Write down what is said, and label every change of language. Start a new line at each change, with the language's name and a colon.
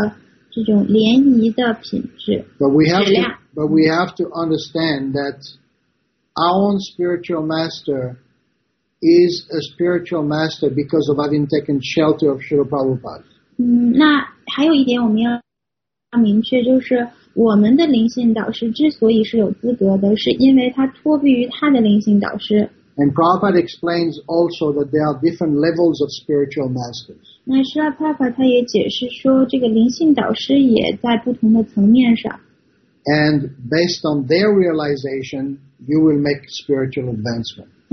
Chinese: 这个呢，也要基于你的这种联谊的品质。
English: But we have to understand that our own spiritual master is a spiritual master because of having taken shelter of Srila Prabhupada.
Chinese: 那还有一点我们要明确，就是我们的灵性导师之所以是有资格的，是因为他托庇于他的灵性导师。
English: And Prabhupada explains also that there are different levels of spiritual masters.
Chinese: 那Srila Prabhupada 他也解释说，这个灵性导师也在不同的层面上。
English: And based on their realization, you will make spiritual advancement.